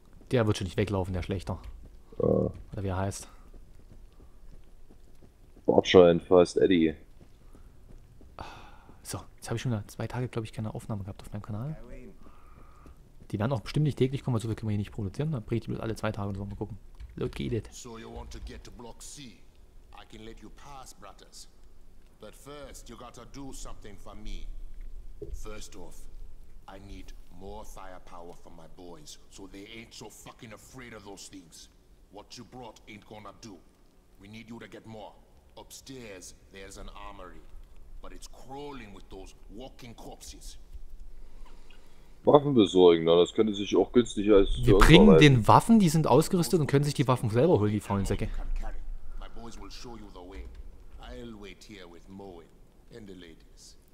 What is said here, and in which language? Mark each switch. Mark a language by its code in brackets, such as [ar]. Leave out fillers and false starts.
[de] Der wird schon nicht weglaufen, der Schlechter. Ja. Oder wie er heißt. Watcher and First Eddie. So, jetzt habe ich schon wieder 2 Tage, glaube ich, keine Aufnahme gehabt auf meinem Kanal. Die werden auch bestimmt nicht täglich kommen, weil so viel können wir hier nicht produzieren. Dann bringe ich die bloß alle 2 Tage und so mal gucken. Load geht it. [en] So, you want to get to Block C. I can let you pass, brothers. But first, you gotta do something for me. First off, I need more firepower for my boys, so they ain't so fucking afraid of those things. What you brought ain't gonna do. We need you to get more. Upstairs, there's an armory, but it's crawling with those walking corpses. [de] Waffen besorgen, na, das könnte sich auch günstig als... Wir bringen den Waffen, die sind ausgerüstet und können sich die Waffen selber holen, die faulen Säcke. [en] My boys will show you the way. I'll wait here with Moen and the ladies.